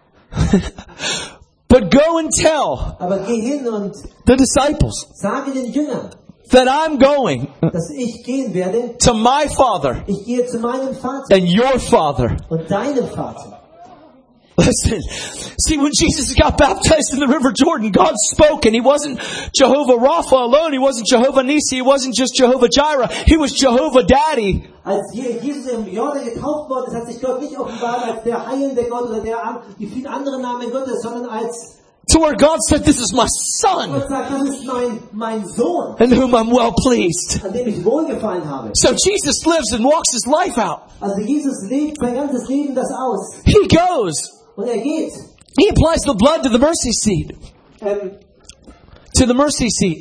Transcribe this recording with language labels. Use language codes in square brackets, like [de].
[en] But go and tell the disciples that I'm going to my Father and your Father. Listen, see, when Jesus got baptized in the River Jordan, God spoke, and he wasn't Jehovah Rapha alone. He wasn't Jehovah Nisi. He wasn't just Jehovah Jireh. He was Jehovah Daddy. [de] Als Jesus im Jordan getauft worden ist, hat sich Gott nicht offenbart als der heilende Gott oder der wie viele andere Namen Gottes, sondern als [en] to where God said, this is my son, in whom I'm well pleased. So Jesus lives and walks his life out. He goes. He applies the blood to the mercy seat. To the mercy seat.